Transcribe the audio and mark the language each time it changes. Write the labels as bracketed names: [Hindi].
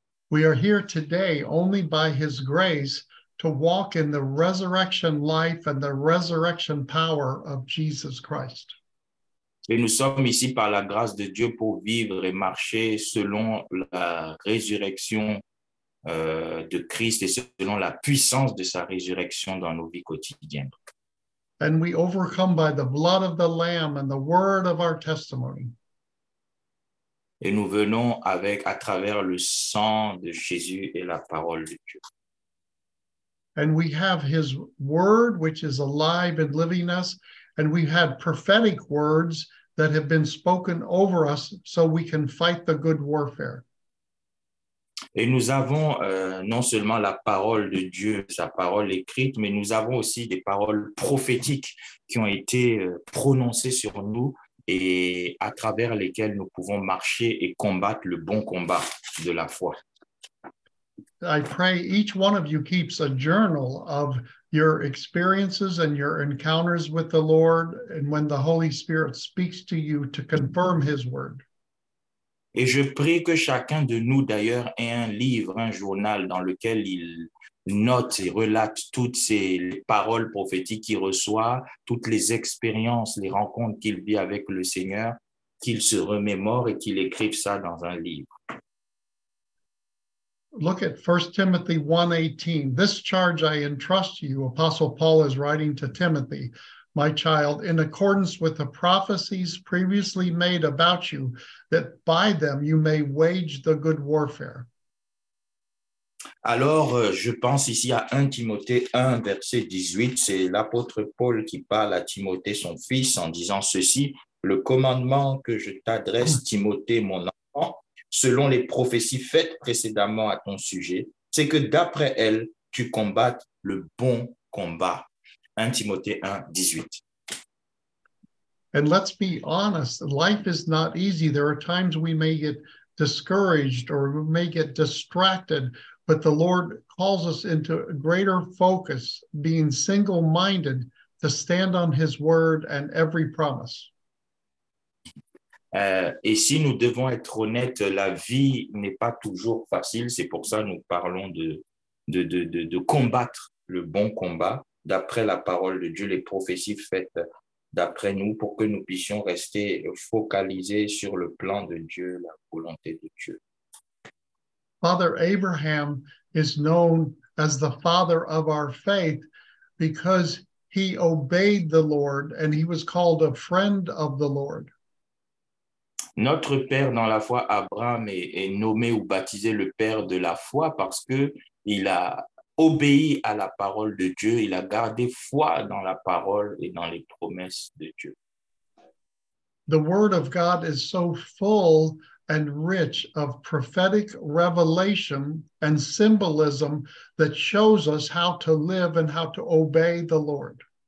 [English] We are here today only by his grace to walk in the resurrection life and the resurrection power of Jesus Christ. [French] Et nous sommes ici par la grâce de Dieu pour vivre et marcher selon la résurrection de Christ et selon la puissance de sa résurrection dans nos vies quotidiennes. [English] And we overcome by the blood of the Lamb and the word of our testimony. [French] Et nous venons avec à travers le sang de Jésus et la parole de Dieu. [English] And we have his word which is alive and living us. And we have prophetic words that have been spoken over us so we can fight the good warfare. [French] Et nous avons non seulement la parole de Dieu, sa parole écrite, mais nous avons aussi des paroles prophétiques qui ont été prononcées sur nous et à travers lesquelles nous pouvons marcher et combattre le bon combat de la foi. [English] I pray each one of you keeps a journal of your experiences and your encounters with the Lord and when the Holy Spirit speaks to you to confirm his word. [French] Et je prie que chacun de nous d'ailleurs ait un livre, un journal dans lequel il note et relate toutes ces paroles prophétiques qu'il reçoit, toutes les expériences, les rencontres qu'il vit avec le Seigneur, qu'il se remémore et qu'il écrive ça dans un livre. [English] Look at 1 Timothy 1:18. This charge I entrust to you, Apostle Paul is writing to Timothy, my child, in accordance with the prophecies previously made about you, that by them you may wage the good warfare. [French] Alors, je pense ici à 1 Timothée 1, verset 18. C'est l'apôtre Paul qui parle à Timothée, son fils, en disant ceci. Le commandement que je t'adresse, Timothée, mon enfant, selon les prophéties faites précédemment à ton sujet, c'est que d'après elle, tu combattes le bon combat. 1 Timothée 1, 18. [English] And let's be honest, life is not easy. There are times we may get discouraged or we may get distracted, but the Lord calls us into greater focus, being single-minded, to stand on his word and every promise. [French] Et si nous devons être honnêtes, la vie n'est pas toujours facile. C'est pour ça que nous parlons de combattre le bon combat d'après la parole de Dieu, les prophéties faites d'après nous, pour que nous puissions rester focalisés sur le plan de Dieu, la volonté de Dieu. [English] Father Abraham is known as the father of our faith because he obeyed the Lord and he was called a friend of the Lord. [French] Notre père dans la foi, Abraham, est nommé ou baptisé le père de la foi parce que il a obéi à la parole de Dieu, il a gardé foi dans la parole et dans les promesses de Dieu. [English] The word of God is so full and rich of prophetic revelation and symbolism that shows us how to live and how to obey the Lord.